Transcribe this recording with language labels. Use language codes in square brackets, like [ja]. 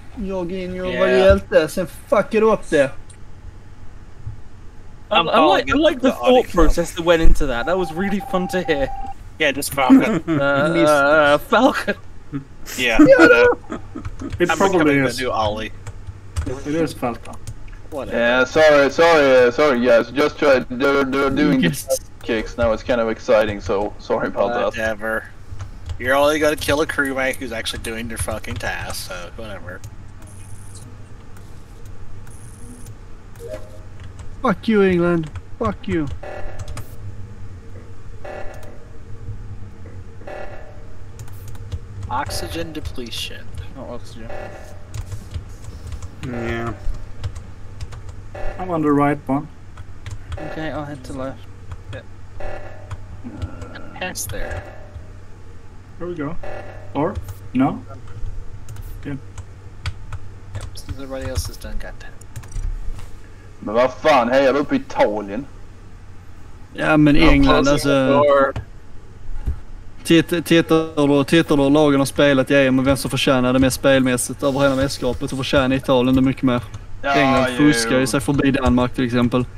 [sv] Jag är en jobbare hjälte, sen fucker upp det. [en] I like the thought process that went into that. That was really fun to hear. Yeah, just Falcon. Falcon. Yeah. It probably is. I'm becoming the new Ollie. It is Falcon. Whatever. Yeah, sorry, guys. Just tried. They're doing kicks now. It's kind of exciting, so sorry about whatever. That. Whatever. You're only gonna kill a crewmate who's actually doing their fucking task, so whatever. Fuck you, England. Fuck you. Oxygen depletion. Not oxygen. Yeah. I'm on the right one. Okay, I'll head to left. Yep. And pass there. Here we go. Or? No? Yep. Yep, since everybody else has done got that. [sv] Men vad fan, hejar du upp i Italien? Ja, men England, alltså... Tittar du lagen har spelat i EM och vem som förtjänar det mer spelmässigt över hela mästerskapet och förtjänar Italien det mycket mer. Ja, England fuskar ju sig förbi Danmark till exempel.